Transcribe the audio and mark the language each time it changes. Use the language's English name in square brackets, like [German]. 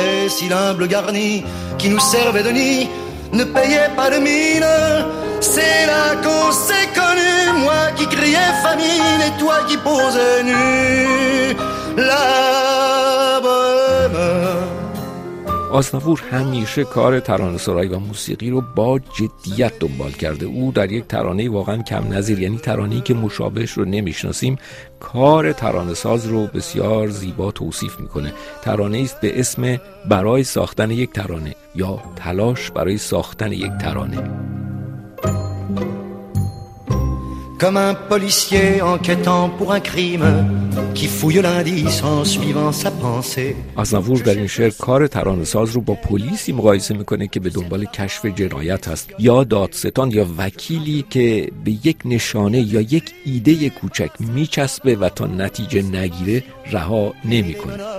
[French] Et si l'humble garni qui nous servait de nid ne payait pas de mine, c'est là qu'on s'est connu, moi qui criais famine et toi qui posais nu la bohème. [Persian] آزنابور همیشه کار ترانه سرایی و موسیقی رو با جدیت دنبال کرده. او در یک ترانه واقعا کم نظیر، یعنی ترانه‌ای که مشابهش رو نمیشناسیم، کار ترانه ساز رو بسیار زیبا توصیف میکنه. ترانه است به اسم برای ساختن یک ترانه یا تلاش برای ساختن یک ترانه. [French] Comme un policier enquêtant pour un crime qui fouille l'indice en suivant sa pensée. [Persian] آزنابور در این شعر کار ترانه‌ساز رو با پلیسی مقایسه میکنه که به دنبال کشف جنایت است، یا دادستان یا وکیلی که به یک نشانه یا یک ایده کوچک میچسبه و تا نتیجه نگیره رها نمیکنه.